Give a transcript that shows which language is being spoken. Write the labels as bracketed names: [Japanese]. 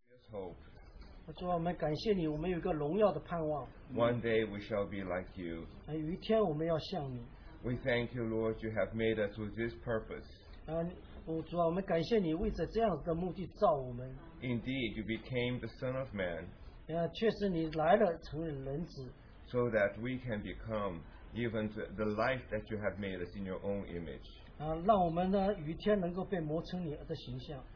[English] hope. [Chinese] 主啊，我们感谢你，我们有一个荣耀的盼望。 [English] One day we shall be like you. [Chinese] 有一天我们要像你。 [English] We thank you, Lord, you have made us with this purpose. [Chinese] 主啊，我们感谢你为着这样的目的造我们。 [English] Indeed, you became the Son of Man. [Chinese] 确实你来了，成了人子。 [English] So that we can become even the life that you have made us in your own image. [Chinese] 让我们呢，有一天能够被磨成你的形象。